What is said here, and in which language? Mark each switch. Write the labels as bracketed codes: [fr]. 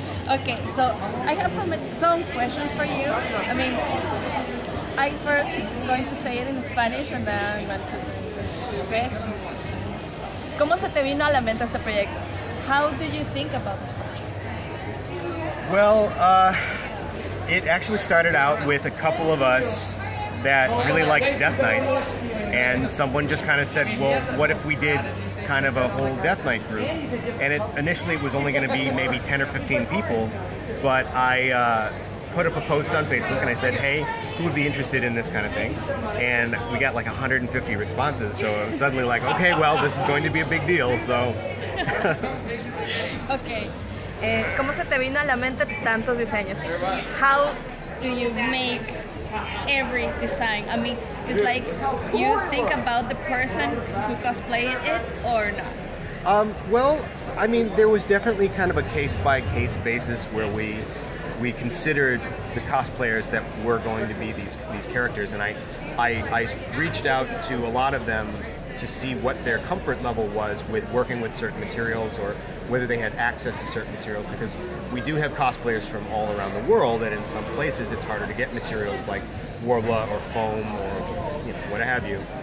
[en] Okay, so I have some questions for you. I mean, I first going to say it in Spanish and then I'm going to do it. [es] ¿Cómo se te vino a la mente este proyecto? [en] How did you think about this project? Well, it actually started out with a couple of us that really liked Death Knights, and someone just kind of said, well, what if we did kind of a whole Death Knight group? And initially it was only going to be maybe 10 or 15 people, but I put up a post on Facebook and I said, hey, who would be interested in this kind of thing? And we got like 150 responses, so I was suddenly like, okay, well, this is going to be a big deal, so. Okay. [es] ¿Cómo se te vino a la mente tantos diseños? [en] How do you make every design? I mean, it's like you think about the person who cosplayed it or not? Well, I mean, there was definitely kind of a case-by-case basis where we considered the cosplayers that were going to be these characters, and I reached out to a lot of them to see what their comfort level was with working with certain materials or whether they had access to certain materials, because we do have cosplayers from all around the world, and in some places it's harder to get materials like Warbla or foam or, you know, what have you.